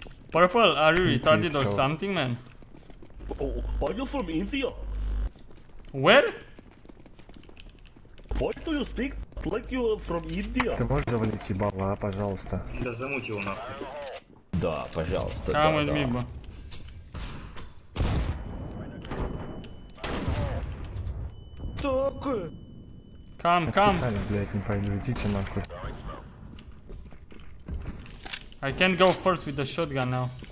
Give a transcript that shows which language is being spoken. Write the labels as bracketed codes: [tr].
[en] Purple, are you retarded or something, man? Oh, are you from India? Where? Why do you speak like you are from India? [ru] Ты можешь завалить ебало, а, пожалуйста? Да замуть его нахуй. Да, пожалуйста, [en] Come [ru] да, да. [en] Me, bro. [ru] Так. [en] Кам, кам. [ru] Я специально, блядь, не пойду, идите нахуй. [en] I can't go first with the shotgun now.